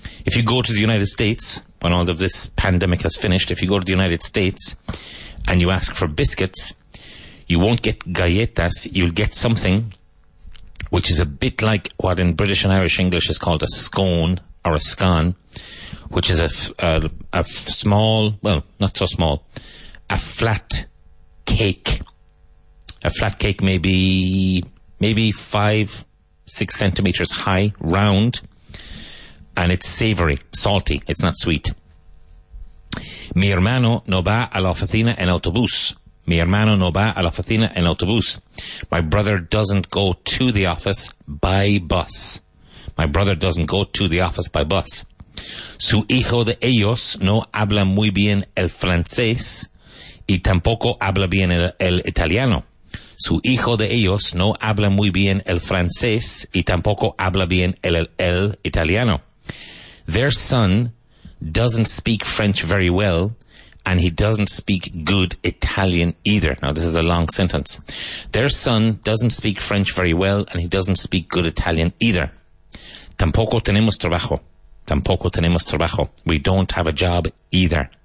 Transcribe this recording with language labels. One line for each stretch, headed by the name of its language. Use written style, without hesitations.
English: If you go to the United States, when all of this pandemic has finished, if you go to the United States and you ask for biscuits, you won't get galletas, you'll get something which is a bit like what in British and Irish English is called a scone or a scone, which is a flat cake. A flat cake may be maybe 5-6 centimetres high, round, and it's savoury, salty, it's not sweet.
Spanish: Mi hermano no va a la oficina en autobús. Mi hermano no va a la oficina en autobús.
English: My brother doesn't go to the office by bus. My brother doesn't go to the office by bus.
Spanish: Su hijo de ellos no habla muy bien el francés y tampoco habla bien el italiano. Su hijo de ellos no habla muy bien el francés y tampoco habla bien el italiano.
English: Their son doesn't speak French very well, and he doesn't speak good Italian either. Now, this is a long sentence. Their son doesn't speak French very well, and he doesn't speak good Italian either.
Spanish: Tampoco tenemos trabajo. Tampoco tenemos trabajo.
English: We don't have a job either.